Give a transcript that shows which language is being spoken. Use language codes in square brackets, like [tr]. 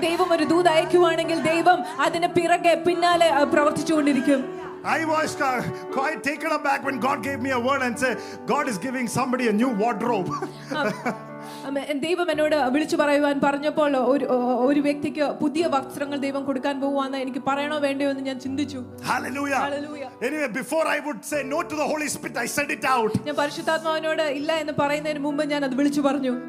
[ml] ദൈവം ഒരു ദൂത അയക്കുവാണെങ്കിൽ ദൈവം അതിനെ പിറകെ പിന്നാലെ പ്രവർത്തിച്ചുകൊണ്ടിരിക്കും. [en] I was quite taken aback when God gave me a word and said God is giving somebody a new wardrobe. [ml] അമ്മ ദൈവം എന്നോട് വിളിച്ചു പറയുവാൻ പറഞ്ഞപ്പോൾ ഒരു ഒരു വ്യക്തിക്ക് പുതിയ വസ്ത്രങ്ങൾ ദൈവം കൊടുക്കാൻ പോകുവാന്ന് എനിക്ക് പറയണോ വേണ്ടോ എന്ന് ഞാൻ ചിന്തിച്ചു. Hallelujah hallelujah. [en] Anyway before I would say no to the Holy Spirit I said it out. [ml] ഞാൻ പരിശുദ്ധാത്മാവിനോട് ഇല്ല എന്ന് പറയുന്നതിന് മുമ്പ് ഞാൻ അത് വിളിച്ചു പറഞ്ഞു.